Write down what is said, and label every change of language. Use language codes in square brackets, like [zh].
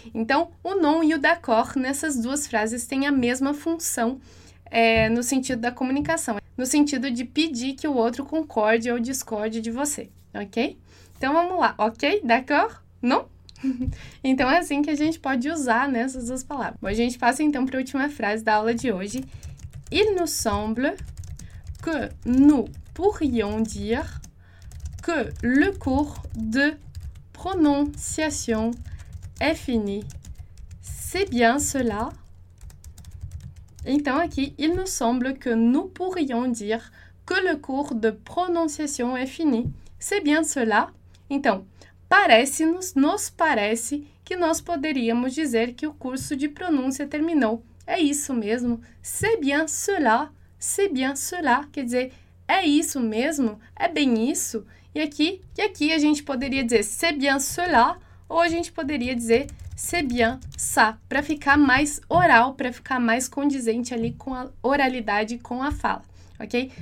[pt] Então, o non e o d'accord nessas duas frases têm a mesma função no sentido da comunicação, no sentido de pedir que o outro concorde ou discorde de você, ok? Então, vamos lá, ok? D'accord? Non? Então, é assim que a gente pode usar nessas duas palavras. Bom, a gente passa então para a última frase da aula de hoje. [fr] Il nous semble que nous pourrions dire que le cours de prononciation est fini. C'est bien cela? [pt] Então, aqui, [fr] il nous semble que nous pourrions dire que le cours de prononciation est fini. C'est bien cela? [pt] Então, parece-nos, nos parece que nós poderíamos dizer que o curso de pronúncia terminou. É isso mesmo? [fr] C'est bien cela? C'est bien cela? [pt] Quer dizer, é isso mesmo? É bem isso? E aqui a gente poderia dizer c'est bien cela ou a gente poderia dizer c'est bien ça, para ficar mais oral, para ficar mais condizente ali com a oralidade, com a fala, ok?